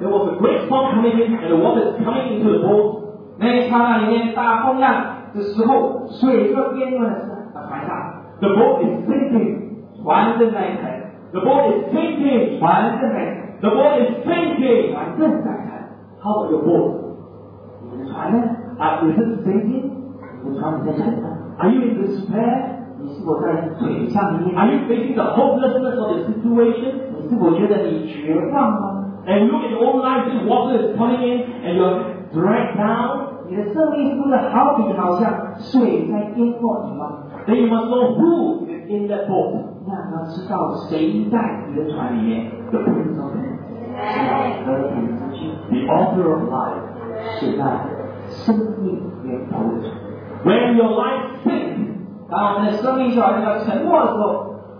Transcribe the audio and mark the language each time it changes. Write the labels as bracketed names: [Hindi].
[English] there was a great storm coming in, and the water coming into the boat. [Chinese] 那一刹那里面大风浪的时候，水就淹没了船上。 [English] The boat is sinking. [Chinese] 船正在沉. [English] The boat is sinking. [Chinese] 船正在沉. [English] The boat is sinking. [Chinese] 船正在沉. [English] How about your boat? [Chinese] 你的船呢? [English] Is it sinking? [Chinese] 你的船在沉吗? [English] Are you in despair? [Chinese] 你是否在沮丧里面? [English] Are you facing the hopelessness of the situation? [Chinese] 你是否觉得你绝望吗? [English] And look at your own life, this water is coming in and you're dragged down. [Chinese] 你的生命是不是好比好像水在淹没你吗? [English] Then you must know who is in that boat. [Chinese] 那你要知道谁在你的船里面. [English] The Prince of Peace. The author of life. [Chinese] 是那生命源头的主。 [English] When your life sinks, [Chinese] 当我们的生命受到这个沉默的时候